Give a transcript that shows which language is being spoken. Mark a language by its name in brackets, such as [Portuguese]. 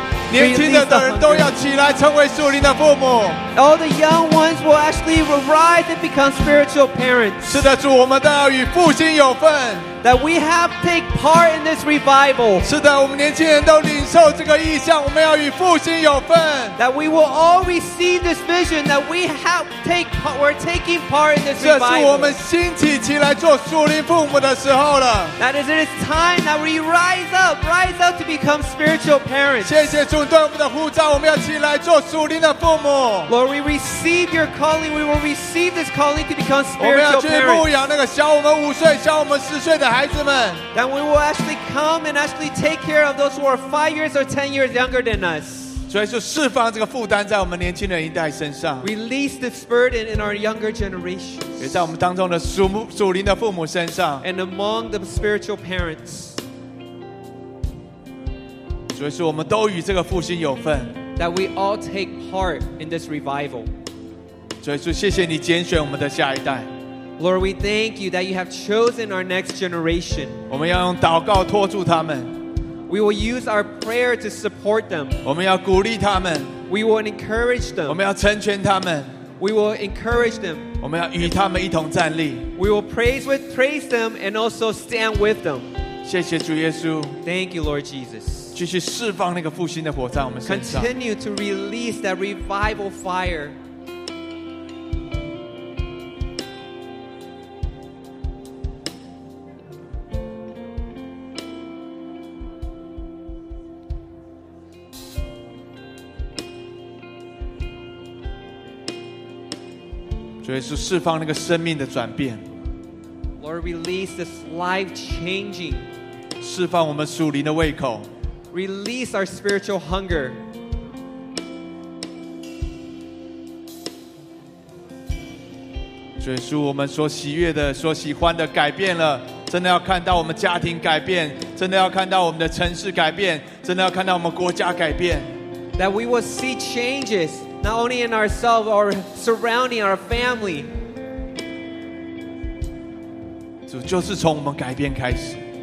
[Chinese] 年轻的人都要起来成为属灵的父母。 [English] All the young ones will actually arise and become spiritual parents. [Chinese] 是的，主，我们都要与复兴有份。 [English] That we have to take part in this revival. [Chinese] 是的，我们年轻人都领受这个意象，我们要与复兴有份。 [English] That we will all receive this vision. That we have to take part. We're taking part in this revival. [Chinese] 这是我们兴起起来做属灵父母的时候了。 [English] That is, it is time that we rise up to become spiritual parents. [Chinese] 谢谢主对我们的呼召，我们要起来做属灵的父母。 [English] Lord, we receive your calling. We will receive this calling to become spiritual parents. [Chinese] 我们要去牧养那个小我们五岁、小我们十岁。 [English] Then we will actually come and actually take care of those who are 5 years or 10 years younger than us. [Chinese] 所以就释放这个负担在我们年轻人一代身上 [English] Release this burden in our younger generations [Chinese] 也在我们当中的 属灵的父母身上 [English] And among the spiritual parents [Chinese] 所以说我们都与这个复兴有份 [English] That we all take part in this revival [Chinese] 所以说谢谢你拣选我们的下一代 [English] Lord, we thank you that you have chosen our next generation. [Chinese] 我们要用祷告托住他们。 [English] We will use our prayer to support them. [Chinese] 我们要鼓励他们。 [English] We will encourage them. [Chinese] 我们要成全他们。 [English] We will encourage them. [Chinese] 我们要与他们一同站立。 [English] We will praise them and also stand with them. [Chinese] 谢谢主耶稣。 [English] Thank you, Lord Jesus. [Chinese] 继续释放那个复兴的火在我们身上。 [English] Continue to release that revival fire. [Chinese] 所以是释放那个生命的转变 [English] Lord release this life changing [Chinese] 释放我们属灵的胃口 [English] Release our spiritual hunger [Chinese] 所以是我们所喜悦的所喜欢的改变了真的要看到我们家庭改变真的要看到我们的城市改变真的要看到我们国家改变 [English] That we will see changesNot only in ourselves, our surrounding, our family. [Chinese] 主就是从我们改变开始。